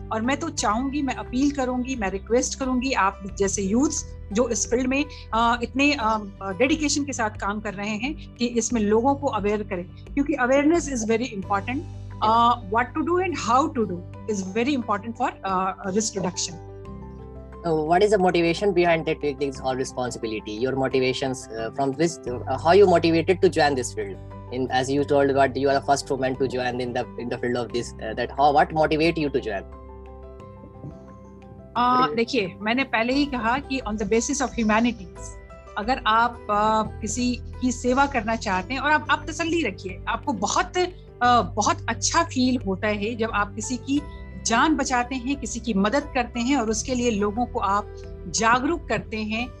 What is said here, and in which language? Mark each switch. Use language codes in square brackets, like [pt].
[hi] और मैं तो चाहूंगी, मैं अपील करूंगी, मैं रिक्वेस्ट करूंगी, आप जैसे यूथ जो इस फील्ड में इतने डेडिकेशन के साथ काम कर रहे हैं, कि इसमें लोगों को अवेयर करें, क्योंकि [en] Awareness is very important. What to do and how to do is very important for risk reduction. What is the motivation behind that taking this whole responsibility? Your motivations from this, how you motivated to join this field? In as you told, what you are the first woman to join in the field of this. That how what motivate you to join? [hi] देखिए, मैंने पहले ही कहा कि [en] on the basis of humanities, [hi] अगर आप किसी की सेवा करना चाहते हैं, और आप तसल्ली रखिए, आपको बहुत बहुत अच्छा फील होता है जब आप किसी की जान बचाते हैं, किसी की मदद करते हैं, और उसके लिए लोगों को आप जागरूक करते हैं।